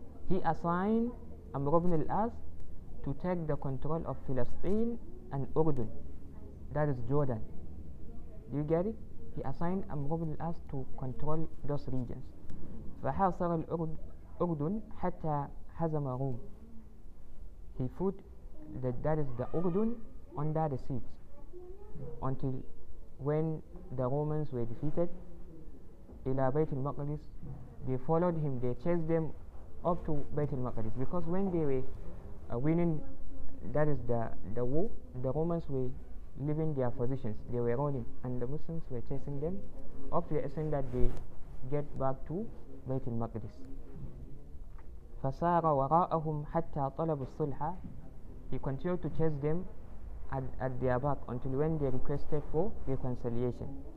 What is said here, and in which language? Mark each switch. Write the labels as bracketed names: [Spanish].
[English] He assigned Amr ibn al-As to take the control of Palestine and Urdun. That is Jordan. Do you get it? He assigned Amr ibn al-As to control those regions. [Arabic] فحاصر الأردن حتى هزم روم. [English] He fought that is the Urdun under the siege until when the Romans were defeated. [Arabic] إلى بيت المقدس. [English] They followed him. They chased them up to بيت المقدس because when they were winning, that is the war, the Romans were leaving their positions. They were running and the Muslims were chasing them up to the extent that they get back to بيت المقدس. [Arabic] فسار وراءهم حتى طلبوا الصلحة. [English] He continued to chase them at their back until when they requested for reconciliation.